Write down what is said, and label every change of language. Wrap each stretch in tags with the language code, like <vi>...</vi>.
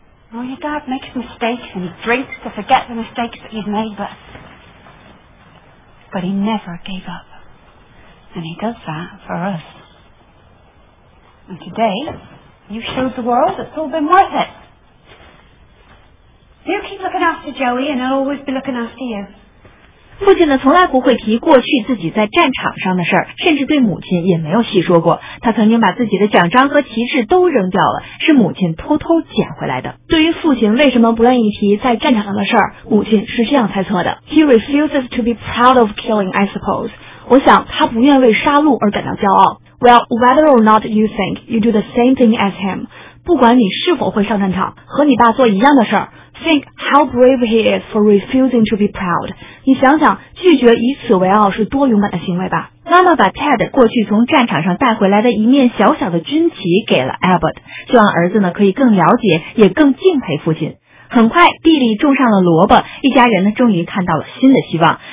<en>Well, your dad makes mistakes and he drinks to forget the mistakes that he's made, but he never gave up. And he does that for us. And today, you showed the world it's all been worth it. You keep looking after Joey and I'll always be looking after you.</en> <zh>父亲呢从来不会提过去自己在战场上的事儿，甚至对母亲也没有细说过。他曾经把自己的奖章和旗帜都扔掉了，是母亲偷偷捡回来的。对于父亲为什么不愿意提在战场上的事儿，母亲是这样猜测的。</zh> <en>He refuses to be proud of killing, I suppose.</en> <zh>我想他不愿为杀戮而感到骄傲。</zh> <en>Well, whether or not you think you do the same thing as him.</en> <zh>不管你是否会上战场，和你爸做一样的事儿。</zh> <en>Think how brave he is for refusing to be proud.</en> <zh>你想想，拒绝以此为傲是多勇敢的行为吧。妈妈把 Ted 过去从战场上带回来的一面小小的军旗给了 Albert， 希望儿子呢可以更了解也更敬佩父亲。很快，地里种上了萝卜，一家人呢终于看到了新的希望。</zh>